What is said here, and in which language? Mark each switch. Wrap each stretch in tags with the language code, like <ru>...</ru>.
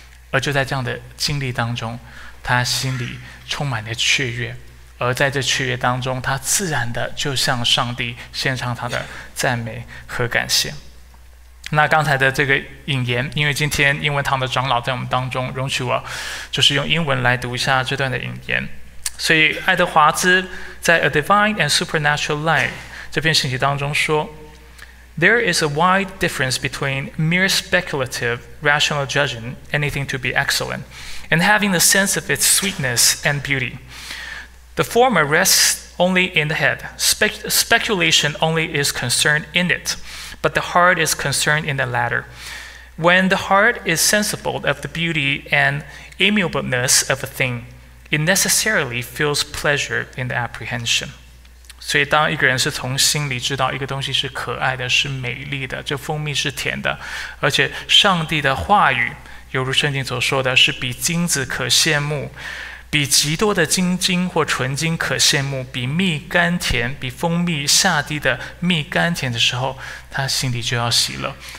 <zh>而就在这样的经历当中，他心里充满了雀跃，而在这雀跃当中，他自然的就向上帝献上他的赞美和感谢。那刚才的这个引言，因为今天英文堂的长老在我们当中，容许我就是用英文来读一下这段的引言。所以爱德华兹在</zh> <en>A Divine and Supernatural Life</en> <zh>这篇信息当中说，</zh> <en>There is a wide difference between mere speculative rational judging anything to be excellent and having the sense of its sweetness and beauty. The former rests only in the head. Speculation only is concerned in it, but the heart is concerned in the latter. When the heart is sensible of the beauty and amiableness of a thing,It necessarily feels pleasure in the apprehension.</en> <zh>所以当一个人是从心里知道一个东西是可爱的，是美丽的，这蜂蜜是甜的，而且上帝的话语，犹如圣经所说的，是比金子可羡慕，比极多的金金或纯金可羡慕，比蜜甘甜，比蜂蜜下地的蜜甘甜的时候，他心里就要喜乐。</zh>